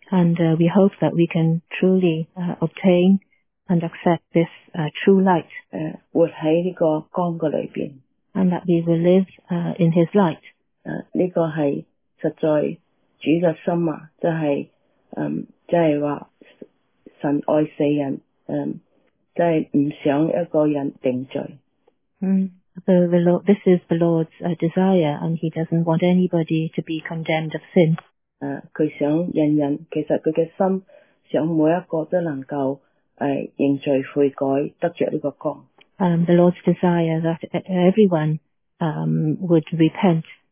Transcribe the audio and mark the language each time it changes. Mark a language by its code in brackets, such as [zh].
[en] And we hope that we can truly obtain and accept this true light. [yue] 活喺呢个光嘅里边。 [en] And that we will live in His light. [yue] 呢个系。实在主嘅心啊，即系即系话神爱死人，即系唔想一个人定罪。 [en] This is the Lord's desire, and He doesn't want anybody to be condemned of sin. [yue] 佢想人人，其实佢嘅心想每一个都能够认罪悔改，得着呢个光。 [en] The Lord's desire that everyone would repent.